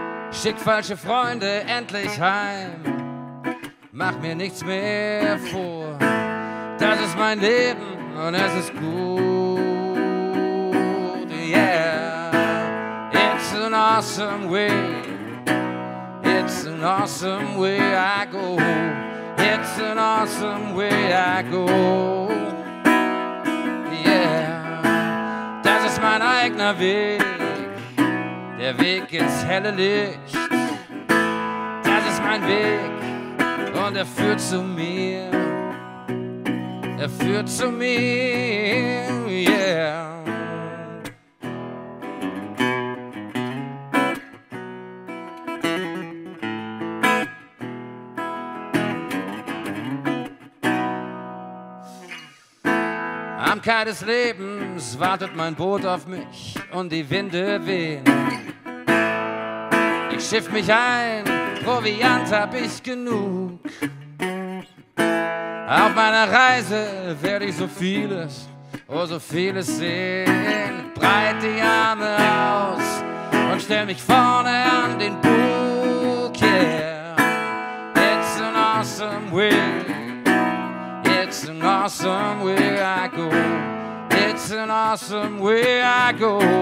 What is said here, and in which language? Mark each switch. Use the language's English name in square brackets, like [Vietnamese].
[German] Schick falsche Freunde endlich heim, mach mir nichts mehr vor, das ist mein Leben und es ist gut, yeah. [English] It's an awesome way, it's an awesome way I go, it's an awesome way I go, yeah. [German] Das ist mein eigener Weg, der Weg ins helle Licht. Das ist mein Weg und er führt zu mir. Er führt zu mir, yeah. Am Kai des Lebens wartet mein Boot auf mich und die Winde wehen. Ich schiff mich ein, Proviant hab ich genug. Auf meiner Reise werde ich so vieles, oh so vieles sehen. Breite die Arme aus und stell mich vorne an den Bug, yeah. [English] It's an awesome way, it's an awesome way I go, it's an awesome way I go.